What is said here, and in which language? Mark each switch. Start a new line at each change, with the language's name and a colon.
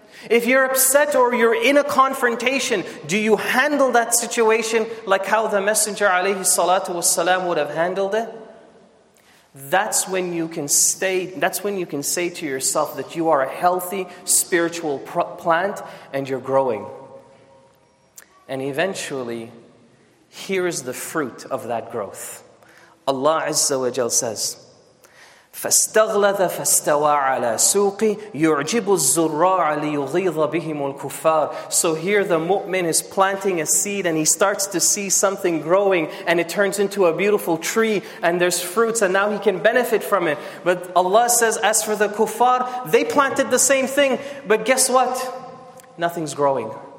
English: If you're upset or you're in a confrontation, do you handle that situation like how the Messenger alayhi salatu wasalam would have handled it? That's when you can say to yourself that you are a healthy spiritual plant and you're growing. And eventually, here is the fruit of that growth. Allah Azza wa Jal says,
Arabic: فَاسْتَغْلَذَ فَاسْتَوَى عَلَى سُوقِ يُعْجِبُ الزُّرَّاعَ لِيُغِيظَ بِهِمُ الْكُفَّارِ.
English: So here the mu'min is planting a seed and he starts to see something growing and it turns into a beautiful tree and there's fruits and now he can benefit from it. But Allah says, as for the kuffar, they planted the same thing. But guess what? Nothing's growing.